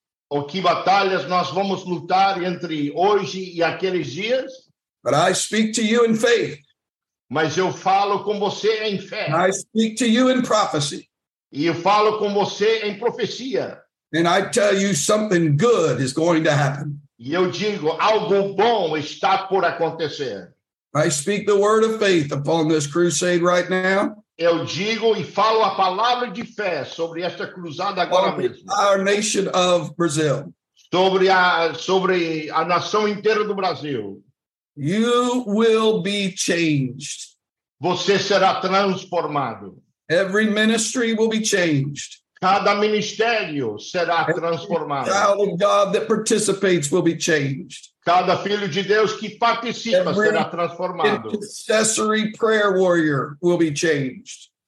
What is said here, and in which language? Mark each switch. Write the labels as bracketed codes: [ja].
[pt] Ou que batalhas nós vamos lutar entre hoje e aqueles dias. [en] But I speak to you in faith. [pt] Mas eu falo com você em fé. [en] I speak to you in prophecy. [pt] E eu falo com você em profecia. [en] And I tell you something good is going to happen. [pt] E eu digo, algo bom está por acontecer. [en] I speak the word of faith upon this crusade right now. [pt] Eu digo e falo a palavra de fé sobre esta cruzada agora mesmo. [en] Our nation of Brazil. [pt] Sobre a nação inteira do Brasil. [en] You will be changed. [pt] Você será transformado. [en] Every ministry will be changed. [pt] Cada ministério será transformado. [en] Every child of God that participates will be changed. [pt] Cada filho de Deus que participa [en] Every [pt] será transformado. [en] Intercessory prayer warrior will be changed.